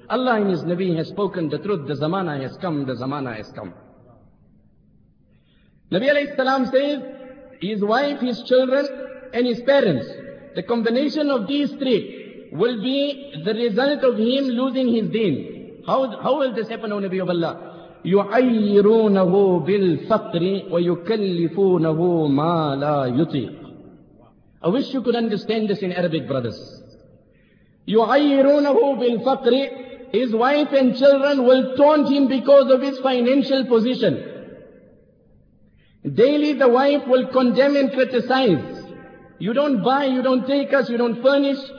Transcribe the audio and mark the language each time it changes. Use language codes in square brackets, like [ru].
[en] Allah and his Nabi has spoken the truth, the zamana has come. Nabi alayhi salam says, his wife, his children and his parents, the combination of these three will be the result of him losing his deen. How will this happen, O Nabi of Allah? [ar] يعيرونه بالفقر ويكلفونه ما لا يطيق. [en] I wish you could understand this in Arabic, brothers. [ar] يعيرونه بالفقر. [en] His wife and children will taunt him because of his financial position. Daily the wife will condemn and criticize. You don't buy, you don't take us, you don't furnish.